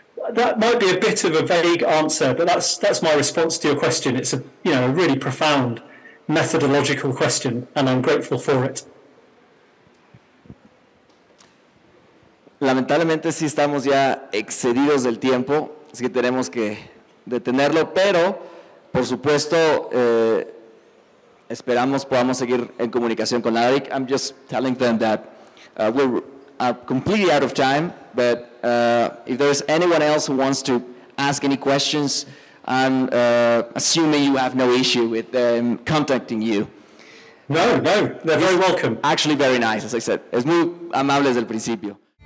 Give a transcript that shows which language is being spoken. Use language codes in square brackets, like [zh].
[en] That might be a bit of a vague answer, but that's my response to your question. It's a really profound methodological question, and I'm grateful for it. [es] Lamentablemente sí estamos ya excedidos del tiempo, así que tenemos que detenerlo, pero por supuesto esperamos podamos seguir en comunicación con Arik. [en] I'm just telling them that we're completely out of time, but if there's anyone else who wants to ask any questions, I'm assuming you have no issue with them contacting you. No, they're very welcome. Actually, very nice, as I said. [es] Es muy amable desde el principio.